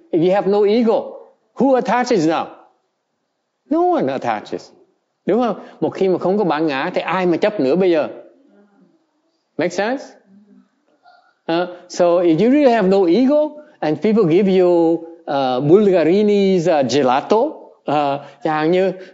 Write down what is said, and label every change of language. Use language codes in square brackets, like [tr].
[en] If you have no ego, who attaches now? No one attaches. [vi] Đúng không? Một khi mà không có bản ngã thì ai mà chấp nữa bây giờ? [en] Make sense? So if you really have no ego and people give you Bulgarini's gelato, [vi] chẳng như